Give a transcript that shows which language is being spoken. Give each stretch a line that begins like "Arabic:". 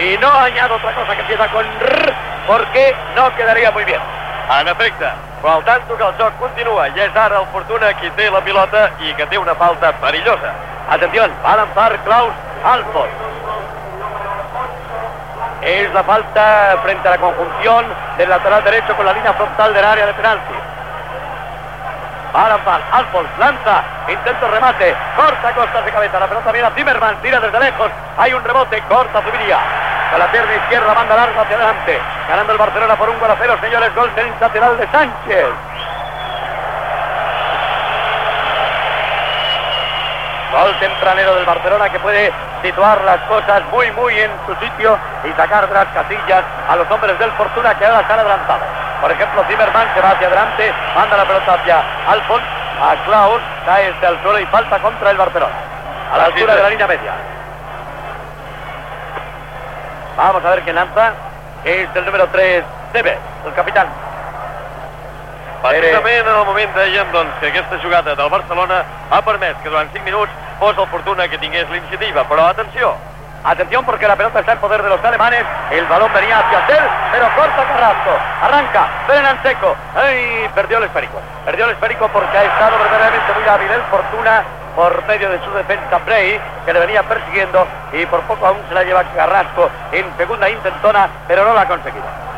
Spanish: I no añado otra cosa que empieza con R, porque no quedaría muy bien.
Catalan: En efecte, però el tanto que el joc continua i és ara el Fortuna qui té la pilota i que té una falta perillosa. Atenció, va lanzar Klaus Alfons.
Spanish: És la falta frente a la conjunción del lateral derecho con la línea frontal del área de penalti. Va lanzar Alfons, lanza, intento remate, corta costas de cabeza, la pelota viene a Zimmermann, tira desde lejos, hay un rebote, corta Zubiria. Con la pierna izquierda, manda largo hacia adelante. Ganando el Barcelona por 1-0, señores, gol sensacional de Sánchez. Gol tempranero del Barcelona que puede situar las cosas muy, muy en su sitio y sacar de las casillas a los hombres del Fortuna que ahora están adelantados. Por ejemplo, Zimmermann se va hacia adelante, manda la pelota hacia Alfons, a Klaus, cae este al suelo y falta contra el Barcelona. A la altura de la línea media. Vamos a ver quién lanza. Es el número 3, Debe, el capitán.
Catalan: Precisament en el moment dèiem doncs, que aquesta jugada del Barcelona ha permès que durant 5 minuts fos el Fortuna que tingués l'iniciativa, però atenció.
Spanish: Atenció porque la pelota está en poder de los alemanes, el balón venía hacia él, pero corta Carrasco, arranca, frena en seco, ¡ay! Perdió el esférico porque ha estado verdaderamente muy hábil el Fortuna por medio de su defensa Brahe, que le venía persiguiendo y por poco aún se la lleva Carrasco en segunda intentona, pero no la ha conseguido.